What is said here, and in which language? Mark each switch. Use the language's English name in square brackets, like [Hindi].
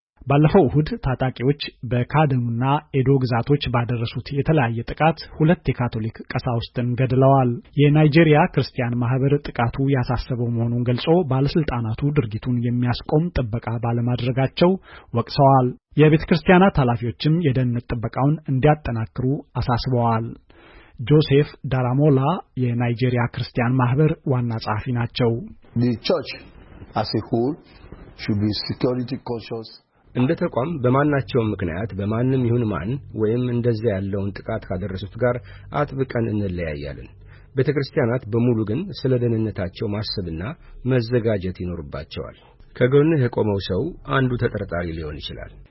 [Amharic] ባለፈው እሁድ ታጣቂዎች በካደሙና ኤዶ ግዛቶች ባደረሱት የተለያየ ጥቃት 2 የካቶሊክ ቀሳውስትን ገድለዋል። የናይጄሪያ ክርስቲያን ማህበር ጥቃቱ ያሳሰበው መሆኑን ገልጾ ባለስልጣናቱ ድርጊቱን የሚያስቆም ጥበቃ ባለማድረጋቸው ወቅሰዋል። የቤተክርስቲያናት ኃላፊዎችም የደህንነት ጥበቃውን እንዲያጠናክሩ አሳስበዋል። ጆሴፍ ዳራሞላ የናይጄሪያ ክርስቲያን ማህበር ዋና ጸሐፊ ናቸው። [English] The church as a whole should be security conscious. [Amharic] እንደ ተቋም በማናቸው ምክንያት በማንም ይሁን ማን ወይም እንደዚህ ያለውን ጥቃት ካደረሱት ጋር አጥብቀን እንለያያለን። ቤተክርስቲያናት በሙሉ ግን ስለ ደህንነታቸው ማሰብና መዘጋጀት ይኖርባቸዋል። ከጎንህ የቆመው ሰው አንዱ ተጠርጣሪ ሊሆን ይችላል።